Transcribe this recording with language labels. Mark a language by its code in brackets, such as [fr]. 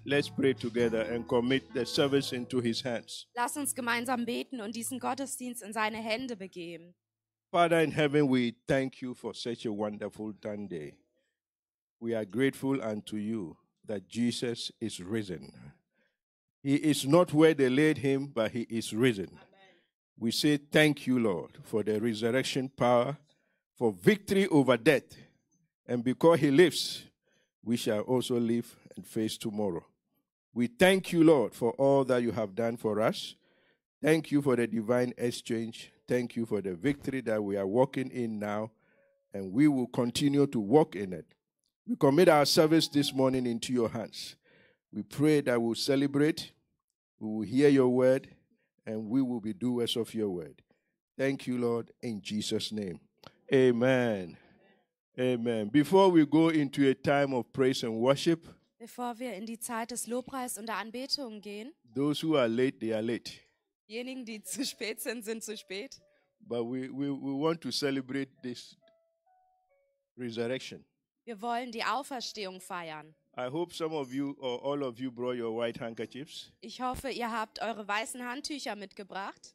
[en] Let's pray together and commit the service into his hands. [de] Lasst uns gemeinsam beten und diesen Gottesdienst in seine Hände begeben. [en] Father in heaven, we thank you for such a wonderful Sunday. We are grateful unto you that Jesus is risen. He is not where they laid him, but he is risen. Amen. We say thank you, Lord, for the resurrection power, for victory over death. And because he lives, we shall also live and face tomorrow. We thank you, Lord, for all that you have done for us. Thank you for the divine exchange. Thank you for the victory that we are walking in now, and we will continue to walk in it. We commit our service this morning into your hands. We pray that we'll celebrate, we will hear your word, and we will be doers of your word. Thank you, Lord, in Jesus' name. Amen. Amen. Before we go into a time of praise and worship, [de] bevor wir in die Zeit des Lobpreis und der Anbetung gehen, [en] those who are late, they are late. [de] Diejenigen, die zu spät sind, sind zu spät. [en] But we want to celebrate this resurrection. [de] Wir wollen die Auferstehung feiern. [en] I hope some of you or all of you brought your white handkerchiefs. [de] Ich hoffe, ihr habt eure weißen Handtücher mitgebracht.